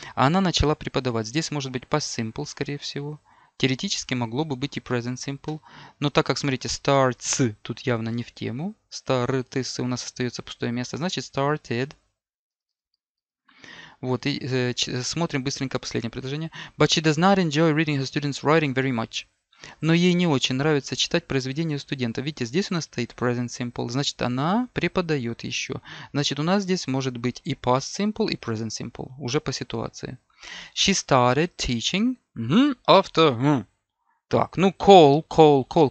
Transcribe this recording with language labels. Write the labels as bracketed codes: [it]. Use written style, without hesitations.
[ru] Она начала преподавать. Здесь может быть past simple, скорее всего. Теоретически могло бы быть и present simple. Но так как, смотрите, starts тут явно не в тему. Starts у нас остается пустое место. Значит, started. Вот, и смотрим быстренько последнее предложение. [en] But she does not enjoy reading her students' writing very much. [ru] Но ей не очень нравится читать произведения студентов. Видите, здесь у нас стоит present simple. Значит, она преподает еще. Значит, у нас здесь может быть и past simple, и present simple. Уже по ситуации. [en] She started teaching after... [ru] Так, ну, call.